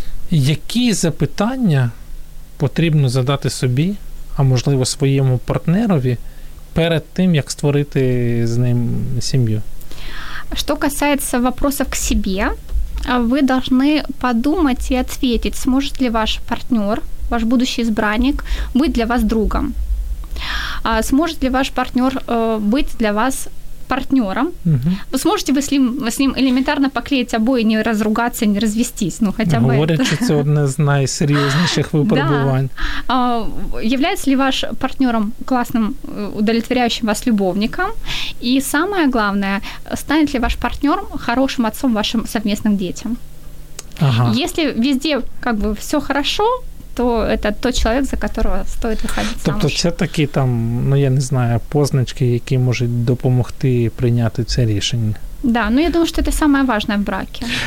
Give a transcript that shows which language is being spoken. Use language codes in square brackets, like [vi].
[uk] Які запитання потрібно задати собі, а можливо своєму партнерові, перед тим, як створити з ним сім'ю? Що касається вопросів к себе, ви повинні подумати і відповісти, зможе ли ваш партнер, [ru] ваш будущий избранник, [uk] бути для вас другом? Зможе ли ваш партнер бути для вас партнером. Угу. [ru] Вы сможете с ним элементарно поклеить обои, не разругаться, не развестись? Ну, хотя бы говорят, что это одно из серьезнейших выпробований. Да. Является ли ваш партнером классным, удовлетворяющим вас любовником? И самое главное, станет ли ваш партнер хорошим отцом вашим совместным детям? Ага. Если везде как бы все хорошо, то это тот человек, за которого стоит выходить замуж. [uk] Тобто це такі там, я не знаю, позначки, які можуть допомогти прийняти це рішення. [ru] Да, я думаю, [uk] що це [ru] самое важное в браке.